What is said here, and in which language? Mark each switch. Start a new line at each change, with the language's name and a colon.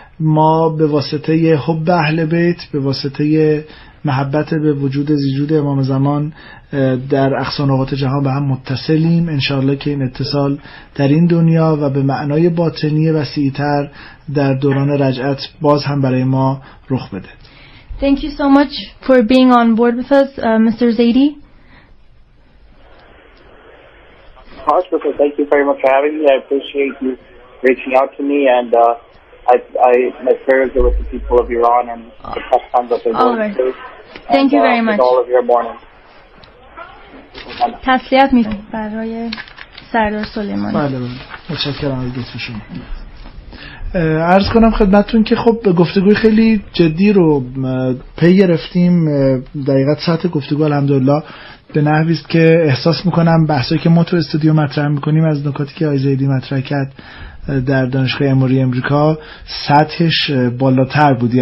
Persian: ما به واسطه حب اهل بیت، به واسطه محبت به وجود زیجود امام زمان در اقصا نقاط جهان به هم متصلیم. انشاءالله که این اتصال در این دنیا و به معنای باطنی وسیع‌تر در دوران رجعت باز هم برای ما رخ بده.
English: Thank you so much for being on board with us, Mr. Zaidi. Thank you very much for having me. I appreciate you reaching out to me and my prayers are with the people of Iran and the Pakistan that they're going through. Thank you very much. All of your morning.
Persian: تسلیت می کنم برای سردار سلیمانی. بله بله. متشکرم از دوست شما. عرض کنم خدمتتون که خب گفتگوی خیلی جدی رو پی گرفتیم. دقیقاً ساعت گفتگو الحمدلله به نحوی است که احساس میکنم بحثایی که ما تو استودیو مطرح میکنیم از نکاتی که آقای زیدی مطرح کرد در دانشگاه اموری امریکا سطحش بالاتر بود.